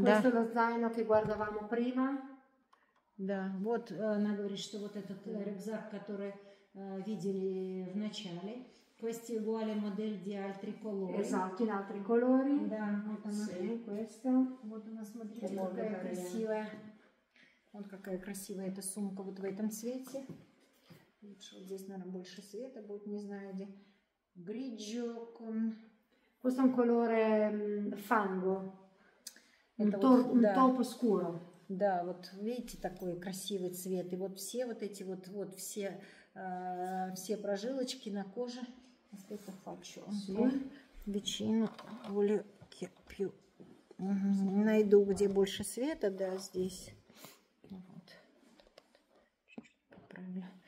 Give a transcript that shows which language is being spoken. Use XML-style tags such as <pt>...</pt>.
<it>Questo è lo zaino che guardavamo prima.</it> <ru>Да, вот она говорит, что вот этот рюкзак, который видели в начале.</ru> <it>Questo è uguale modello di altri colori. Esatto, in altri colori.</it> <ru>Да, вот она,</ru> <it>sì. Questo.</it> <ru>Вот она, смотрите, che какая bella. Красивая. Вот какая красивая эта сумка вот в этом цвете. Лучше вот здесь, наверное, больше света будет, не знаю где.</ru> <it>Grigio con... Questo è un colore fango. Un topo scuro.</it> <ru>Да, вот видите, такой красивый цвет. И вот все вот эти вот, вот все, все прожилочки на коже.</ru> <it>Это faccio. Vicino. Voglio che più...</it> <ru>Найду, где больше света, да, здесь. Вот. Чуть-чуть поправлю.</ru>